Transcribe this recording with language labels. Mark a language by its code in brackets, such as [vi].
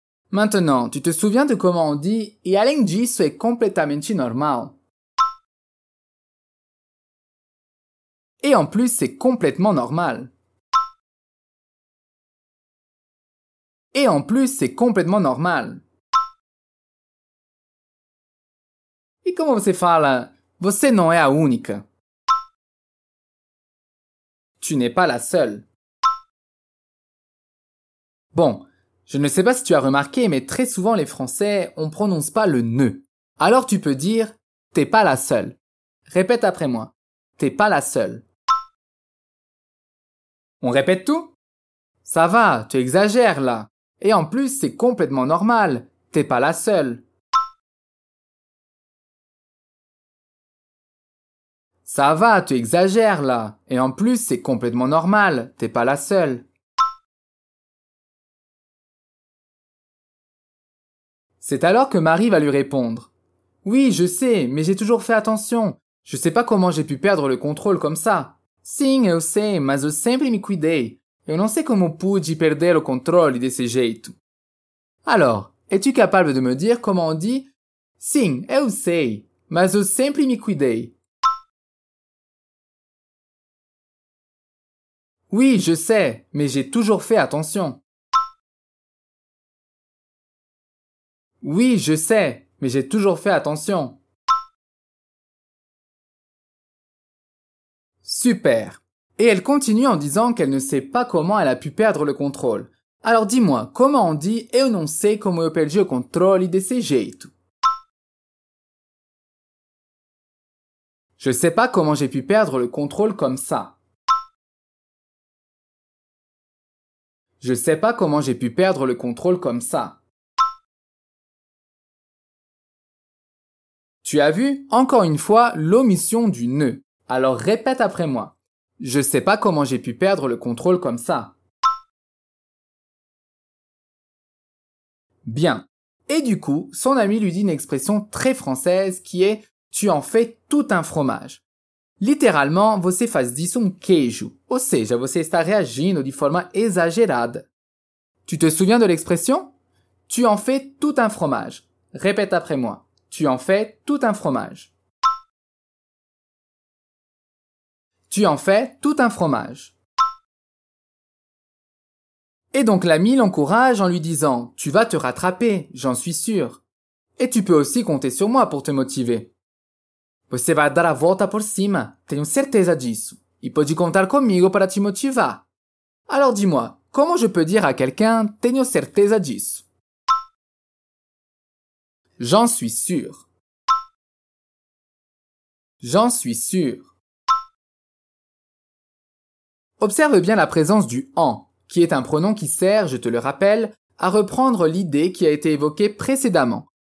[fr] Maintenant, tu te souviens de comment on dit « [pt] E além disso é completamente normal. » [fr] Et en plus, c'est complètement normal. Et en plus, c'est complètement normal. [pt] E como você fala, você não é a única? [fr] Tu n'es pas la seule. Bon, je ne sais pas si tu as remarqué, mais très souvent les Français, on prononce pas le ne. Alors tu peux dire, t'es pas la seule. Répète après moi, t'es pas la seule. On répète tout? Ça va, tu exagères là. Et en plus, c'est complètement normal, t'es pas la seule. Ça va, tu exagères là. Et en plus, c'est complètement normal, t'es pas la seule. C'est alors que Marie va lui répondre. Oui, je sais, mais j'ai toujours fait attention. Je sais pas comment j'ai pu perdre le contrôle comme ça. [pt] Sim, eu sei, mas eu sempre me cuidei. Eu não sei como pude perder o controle desse jeito. [fr] Alors, es-tu capable de me dire comment on dit? [pt] Sim, eu sei, mas eu sempre me cuidei. [fr] Oui, je sais, mais j'ai toujours fait attention. Oui, je sais, mais j'ai toujours fait attention. Super. Et elle continue en disant qu'elle ne sait pas comment elle a pu perdre le contrôle. Alors dis-moi, comment on dit « [pt] Eu não sei como eu perdi o controle desse jeito ?» [fr] Je sais pas comment j'ai pu perdre le contrôle comme ça. Je sais pas comment j'ai pu perdre le contrôle comme ça. Tu as vu, encore une fois, l'omission du ne. Alors répète après moi. Je sais pas comment j'ai pu perdre le contrôle comme ça. Bien. Et du coup, son ami lui dit une expression très française qui est « tu en fais tout un fromage ». [pt] Literalmente, você faz disso queijo. Ou seja, você está reagindo de forma exagerada. [fr] Tu te souviens de l'expression? Tu en fais tout un fromage. Répète après moi. Tu en fais tout un fromage. Tu en fais tout un fromage. Et donc l'ami l'encourage en lui disant « Tu vas te rattraper, j'en suis sûr. Et tu peux aussi compter sur moi pour te motiver. » [pt] Você vai dar a volta por cima, tenho certeza disso. E pode contar comigo para te motivar. [fr] Alors dis-moi, comment je peux dire à quelqu'un « [pt] tenho certeza disso » ? [fr] J'en suis sûr. J'en suis sûr. Observe bien la présence du « en », qui est un pronom qui sert, je te le rappelle, à reprendre l'idée qui a été évoquée précédemment.